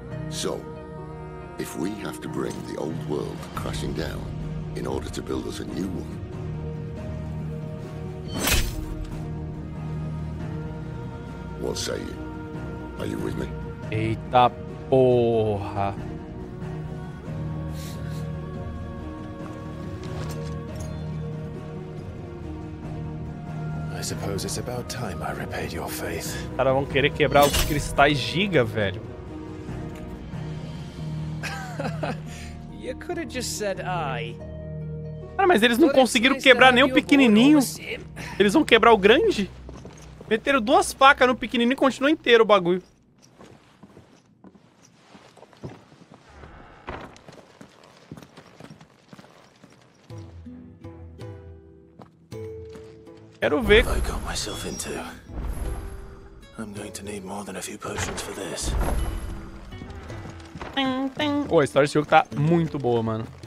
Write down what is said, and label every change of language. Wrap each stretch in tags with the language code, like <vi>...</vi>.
<en>So, if we have to bring the old world crashing down in order to build us a new one, what say you? Are you with me?</en> <pt>Eita porra!</pt> <en>I suppose it's about time I repaid your faith.</en> <pt>Cara, vão querer quebrar os cristais giga, velho.</pt> <en>You could have just said I.</en> <pt>Cara, mas eles não conseguiram quebrar nem o pequenininho. Eles vão quebrar o grande? Meteram duas facas no pequenininho e continuou inteiro o bagulho. Quero ver.</pt> <en>What have I got myself into? I'm going to need more than a few potions for this.</en> <pt>Oh, a história desse jogo tá muito boa, mano.</pt>